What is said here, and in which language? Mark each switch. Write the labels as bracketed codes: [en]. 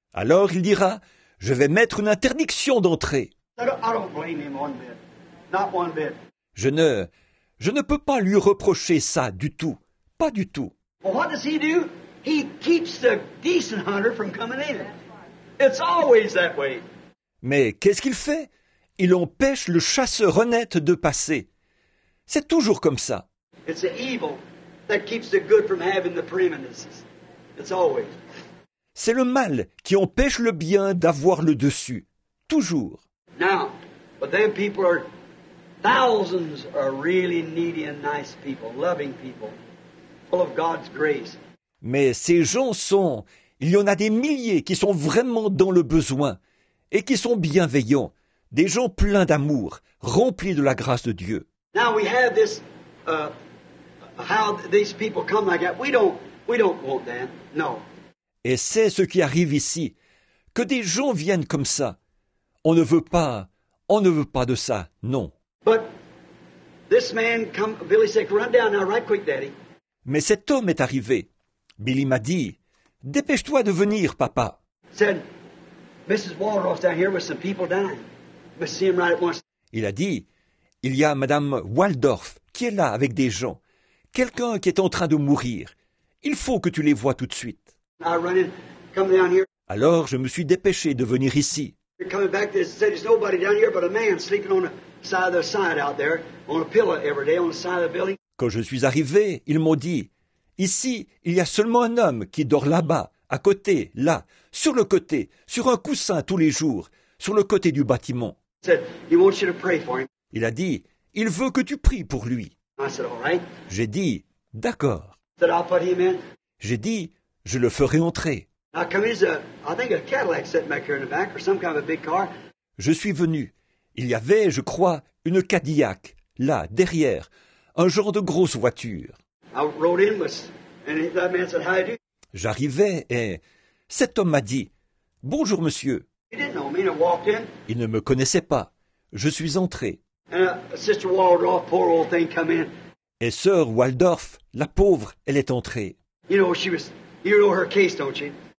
[fr] Alors il dira, je vais mettre une interdiction d'entrée. [en] I don't blame him one bit. [fr] Je ne peux pas lui reprocher ça du tout. Pas du tout. [en] Well, what does he do? He keeps the decent hunter from coming in. It's always that way. [fr] Mais qu'est-ce qu'il fait? Il empêche le chasseur honnête de passer. C'est toujours comme ça. [en] It's the evil that keeps the good from having the preeminences. It's always. [fr] C'est le mal qui empêche le bien d'avoir le dessus. Toujours. [en] Now, but then people are, thousands are really needy and nice people, loving people, full of God's grace. [fr] Mais ces gens sont, il y en a des milliers qui sont vraiment dans le besoin et qui sont bienveillants, des gens pleins d'amour, remplis de la grâce de Dieu. [en] Now we have this, how these people come like that. We don't want that, no. [fr] Et c'est ce qui arrive ici, que des gens viennent comme ça. On ne veut pas de ça, non. [en] But this man come, Billy said, run down now, right quick, daddy. [fr] Mais cet homme est arrivé. Billy m'a dit, dépêche-toi de venir, papa. [en] Said, Mrs. Waldorf's down here with some people dying. We'll see him right at once. [fr] Il a dit, il y a Madame Waldorf qui est là avec des gens. Quelqu'un qui est en train de mourir. Il faut que tu les vois tout de suite. [en] I run in, come down here. [fr] Alors je me suis dépêché de venir ici. [en] Coming back, they said there's nobody down here but a man sleeping on the side of the side out there on a pillow every day on the side of the building. [fr] Quand je suis arrivé, ils m'ont dit, ici, il y a seulement un homme qui dort là-bas, à côté, là, sur le côté, sur un coussin tous les jours, sur le côté du bâtiment. [en] Said, he wants you to pray for him. [fr] Il a dit, il veut que tu pries pour lui. [en] I said, all right. [fr] J'ai dit, d'accord. [en] Said, I'll put him in. [fr] J'ai dit, je le ferai entrer. [en] Now, come, he's a, I think a Cadillac sitting back here in the back, or some kind of a big car. [fr] Je suis venu. Il y avait, je crois, une Cadillac, là, derrière, un genre de grosse voiture. [en] I rode in with, and that man said, how do you do? [fr] J'arrivais et cet homme m'a dit, bonjour, monsieur. [en] He didn't know me, and I walked in. [fr] Il ne me connaissait pas. Je suis entré. [en] And Sister Waldorf, poor old thing, come in. [fr] Et Sœur Waldorf, la pauvre, elle est entrée. [en] You know, she was, you know her case, don't you?